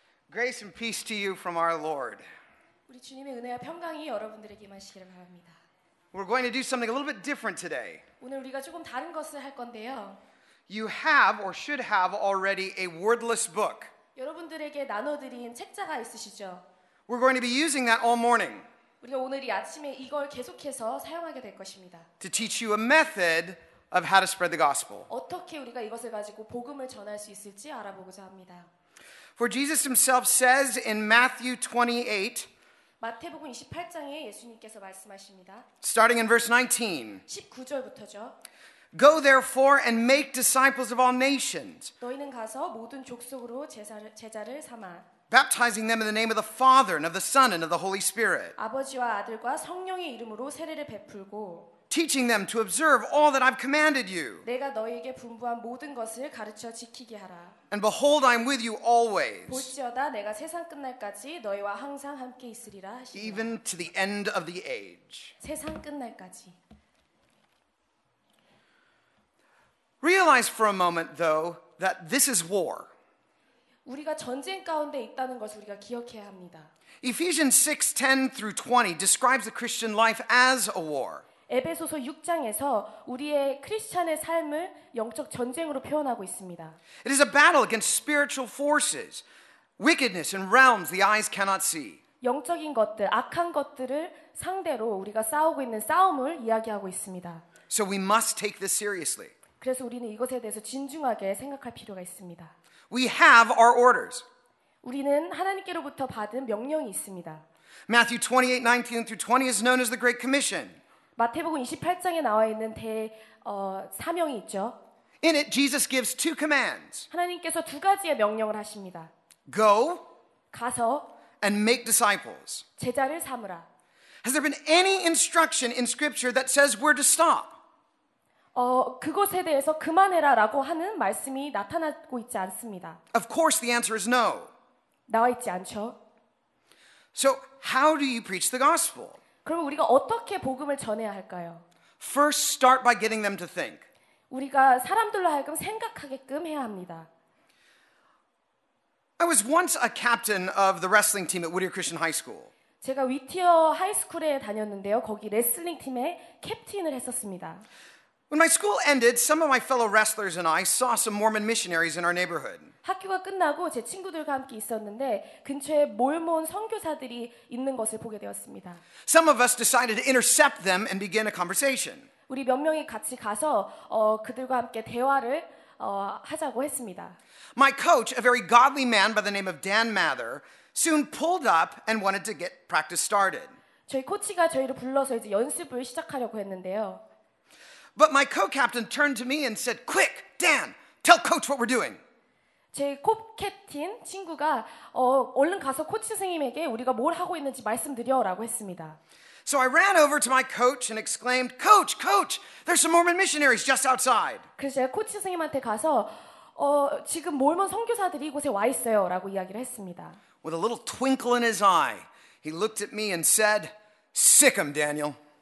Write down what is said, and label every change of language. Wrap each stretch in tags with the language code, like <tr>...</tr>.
<en>Grace and peace to you from our Lord.</en> <ko>우리 주님의 은혜와 평강이 여러분들에게 임하시기를 바랍니다.</ko> <en>We're going to do something a little bit different today.</en> <ko>오늘 우리가 조금 다른 것을 할 건데요.</ko> <en>You have or should have already a wordless book.</en> <ko>여러분들에게 나눠드린 책자가 있으시죠?</ko> <en>We're going to be using that all morning.</en> <ko>우리가 오늘 이 아침에 이걸 계속해서 사용하게 될 것입니다.</ko> <en>To teach you a method of how to spread the gospel.</en> <ko>어떻게 우리가 이것을 가지고 복음을 전할 수 있을지 알아보고자 합니다.</ko> <en>For Jesus himself says in Matthew 28,</en> <ko>마태복음 28장에 예수님께서 말씀하십니다.</ko> <en>Starting in verse 19.</en> <ko>19절부터죠.</ko> <en>Go therefore and make disciples of all nations.</en> <ko>너희는 가서 모든 족속으로 제자를 삼아.</ko> <en>Baptizing them in the name of the Father and of the Son and of the Holy Spirit.</en> <ko>아버지와 아들과 성령의 이름으로 세례를 베풀고.</ko> <en>Teaching them to observe all that I've commanded you.</en> <ko>내가 너희에게 분부한 모든 것을 가르쳐 지키게 하라.</ko> <en>And behold, I'm with you always.</en> <ko>보시어다 내가 세상 끝날까지 너희와 항상 함께 있으리라 하시니.</ko> <en>Even to the end of the age.</en> <ko>세상 끝날까지.</ko> <en>Realize for a moment, though, that this is war.</en> <ko>우리가 전쟁 가운데 있다는 것을 우리가 기억해야 합니다.</ko> <en>Ephesians 6:10 through 20 describes the Christian life as a war.</en> <ko>에베소서 6장에서 우리의 크리스찬의 삶을 영적 전쟁으로 표현하고 있습니다.</ko> <en>It is a battle against spiritual forces, wickedness and realms the eyes cannot see.</en> <ko>영적인 것들, 악한 것들을 상대로 우리가 싸우고 있는 싸움을 이야기하고 있습니다.</ko> <en>So we must take this seriously.</en> <ko>그래서 우리는 이것에 대해서 진중하게 생각할 필요가 있습니다.</ko> <en>We have our orders.</en> <ko>우리는 하나님께로부터 받은 명령이 있습니다.</ko> <en>Matthew 28:19 through 20 is known as the Great Commission.</en> <ko>마태복음 28장에 나와 있는 대 사명이 있죠.</ko> <en>In it, Jesus gives two commands.</en> <ko>하나님께서 두 가지의 명령을 하십니다.</ko> <en>Go.</en> <ko>가서.</ko> <en>And make disciples.</en> <ko>제자를 삼으라.</ko> <en>Has there been any instruction in Scripture that says we're to stop?</en> <ko>그곳에 대해서 그만해라라고 하는 말씀이 나타나고 있지 않습니다.</ko> <en>Of course, the answer is no.</en> <ko>나와 있지 않죠.</ko> <en>So how do you preach the gospel?</en> <ko>그럼 우리가 어떻게 복음을 전해야 할까요?</ko> <en>First, start by getting them to think.</en> <ko>우리가 사람들로 하여금 생각하게끔 해야 합니다.</ko> <en>I was once a captain of the wrestling team at Whittier Christian High School.</en> <ko>제가 위티어 하이스쿨에 다녔는데요. 거기 레슬링 팀의 캡틴을 했었습니다.</ko> <en>When my school ended, some of my fellow wrestlers and I saw some Mormon missionaries in our neighborhood.</en> <ko>학교가 끝나고 제 친구들과 함께 있었는데 근처에 몰몬 선교사들이 있는 것을 보게 되었습니다.</ko> <en>Some of us decided to intercept them and begin a conversation.</en> <ko>우리 몇 명이 같이 가서 그들과 함께 대화를 하자고 했습니다.</ko> <en>My coach, a very godly man by the name of Dan Mather, soon pulled up and wanted to get practice started.</en> <ko>저희 코치가 저희를 불러서 이제 연습을 시작하려고 했는데요.</ko> <en>But my co-captain turned to me and said, "Quick, Dan, tell coach what we're doing."</en> <ko>제 코캡틴 친구가 얼른 가서 코치 선생님에게 우리가 뭘 하고 있는지 말씀드려라고 했습니다.</ko> <en>So I ran over to my coach and exclaimed, "Coach, coach, there's some Mormon missionaries just outside."</en> <ko>그래서 제가 코치 선생님한테 가서 지금 몰몬 선교사들이 이곳에 와 있어요라고 이야기를 했습니다.</ko> <en>With a little twinkle in his eye, he looked at me and said, "Sick 'em, Daniel."</en>